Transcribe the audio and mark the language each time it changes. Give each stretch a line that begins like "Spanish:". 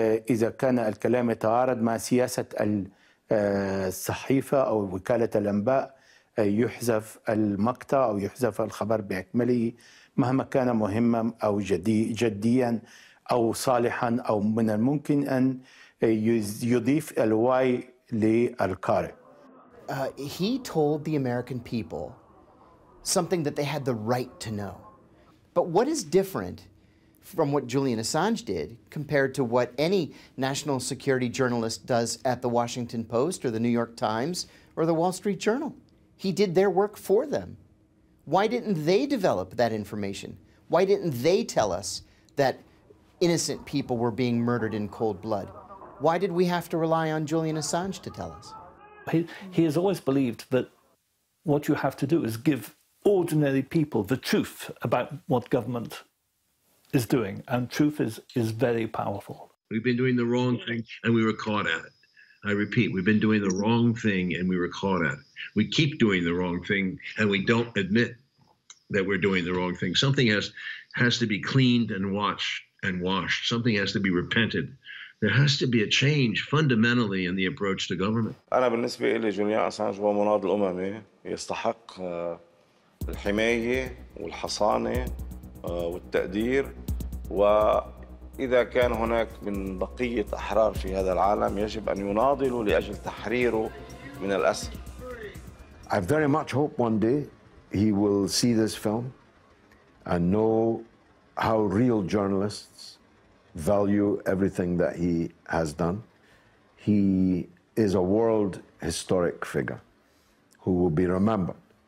Arabic: إذا كان الكلام يتعارض مع سياسة الصحيفة أو وكالة الأنباء، يحذف المقطع أو يحذف الخبر بأكمله مهما كان مهما أو جديا أو صالحا، أو من الممكن أن يضيف الواي للقارئ.
English: He told the American people something that they had the right to know. But what is different from what Julian Assange did compared to what any national security journalist does at the Washington Post or the New York Times or the Wall Street Journal? He did their work for them. Why didn't they develop that information? Why didn't they tell us that innocent people were being murdered in cold blood? Why did we have to rely on Julian Assange to tell us? He has always believed that what you have to do is give ordinary people the truth about what government is doing. And truth is very powerful. We've been doing the wrong thing and we were caught at it. I repeat, we've been doing the wrong thing and we were caught at it. We keep doing the wrong thing and we don't admit that we're doing the wrong thing. Something has to be cleaned and watched and washed. Something has to be repented. There has to be a change fundamentally in the approach to government.
Arabic: أنا بالنسبة لي جوليان أسانج هو مناضل الأممي يستحق الحماية والحصانة والتقدير، وإذا كان هناك من بقية أحرار في هذا العالم يجب أن يناضلوا لأجل تحريره من الأسر.
English: I very much hope one day he will see this film and know how real journalists value everything that he has done. He is a world historic figure who will be remembered.